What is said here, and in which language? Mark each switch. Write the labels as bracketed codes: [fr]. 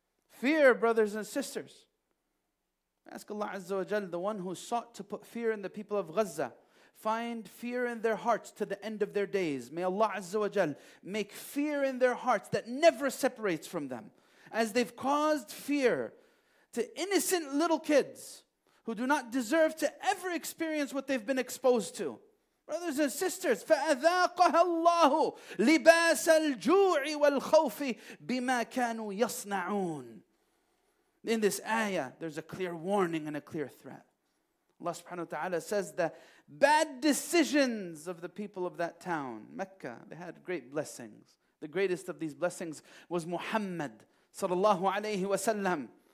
[en] Fear, brothers and sisters. Ask Allah Azza wa Jal, the one who sought to put fear in the people of Gaza, find fear in their hearts to the end of their days. May Allah Azza wa Jal make fear in their hearts that never separates from them. As they've caused fear to innocent little kids who do not deserve to ever experience what they've been exposed to. Brothers and sisters, [ar] فَأَذَاقَهَا اللَّهُ لِبَاسَ الْجُوعِ وَالْخَوْفِ بِمَا كَانُوا يَصْنَعُونَ. [en] In this ayah, there's a clear warning and a clear threat. Allah subhanahu wa ta'ala says the bad decisions of the people of that town, Mecca, they had great blessings. The greatest of these blessings was Muhammad sallallahu alayhi wa sallam.